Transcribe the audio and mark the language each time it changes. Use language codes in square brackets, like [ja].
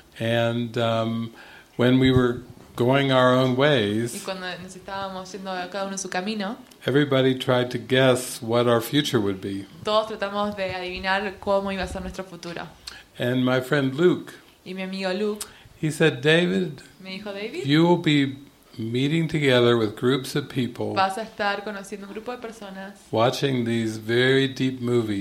[en] And when we were going our own ways. [es] Y cuando nos estábamos yendo cada uno en su camino. [en] Everybody tried to guess what our future would be. [es] Todos tratamos de adivinar cómo iba a ser nuestro futuro. [en] And my friend Luke. [es] Y mi amigo Luke. [en] He said, David. [es] Me dijo David. [en] You will be meeting together with groups of people. [es] Vas a estar conociendo un grupo de personas. [en] Watching these very deep movies.